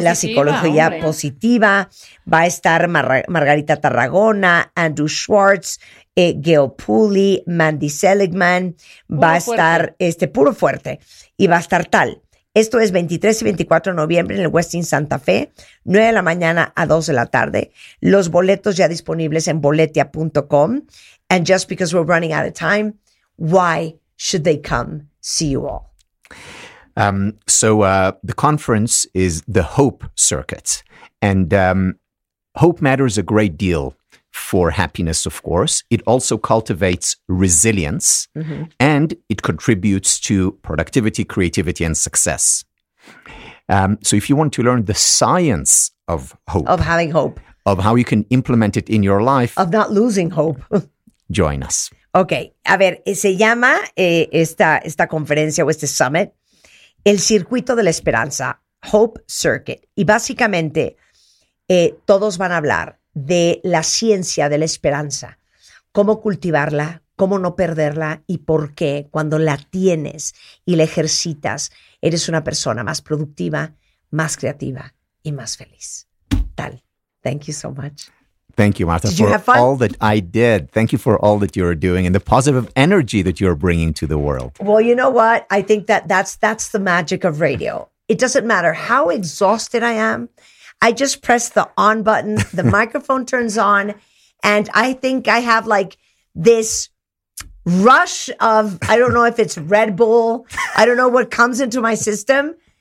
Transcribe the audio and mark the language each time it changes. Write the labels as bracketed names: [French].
[Spanish] De la psicología positiva. Va a estar Margarita Tarragona, Andrew Schwartz, Gail Pooley, Mandy Seligman, va a estar puro fuerte y va a estar tal. Esto es 23 y 24 de noviembre en el Westin Santa Fe, 9 de la mañana a 2 de la tarde. Los boletos ya disponibles en boletia.com. [English] And just because we're running out of time, why should they come see you all? The conference is the Hope Circuit. And hope matters a great deal. For happiness, of course. It also cultivates resilience and it contributes to productivity, creativity, and success. So if you want to learn the science of hope. Of having hope. of how you can implement it in your life. Of not losing hope. Join us. [Spanish] Okay. A ver, se llama esta conferencia o este summit, el Circuito de la Esperanza, Hope Circuit. Y básicamente, todos van a hablar de la ciencia de la esperanza, cómo cultivarla, cómo no perderla y por qué cuando la tienes y la ejercitas, eres una persona más productiva, más creativa y más feliz. [English] Tal. Thank you so much. Thank you, Martha. Did you for have fun? All that I did. Thank you for all that you're doing and the positive energy that you're bringing to the world. Well, you know what? I think that that's the magic of radio. It doesn't matter how exhausted I am. I just press the on button, the microphone turns on, and I think I have like this rush of, I don't know if it's Red Bull, I don't know what comes into my system.